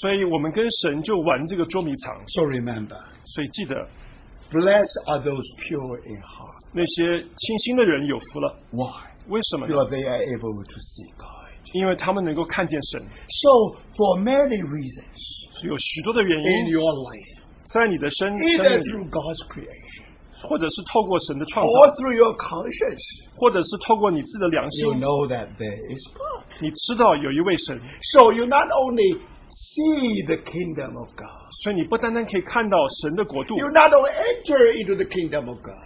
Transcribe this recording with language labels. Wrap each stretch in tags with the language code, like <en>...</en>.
<zh>所以我们跟神就玩这个捉迷藏。</zh> <en>So remember.</en> <zh>所以记得。</zh> <en>Blessed are those pure in heart.</en> <zh>那些清心的人有福了。</zh> <en>Why?</en> <zh>为什么呢?</zh> <en>Because they are able to see God. So, for many reasons,</en> <zh>有许多的原因,</zh> <en>in your life,</en> <zh>在你的身,</zh> <en>either through God's creation,</en> <zh>或者是透过神的创造,</zh> <en>or through your conscience,</en> <zh>或者是透过你自己的良心,</zh> <en>you know that there is God.</en> <zh>你知道有一位神,</zh> <en>so, you not only see the kingdom of God.</en> <zh>所以你不单单可以看到神的国度,</zh> <en>you not only enter into the kingdom of God.</en>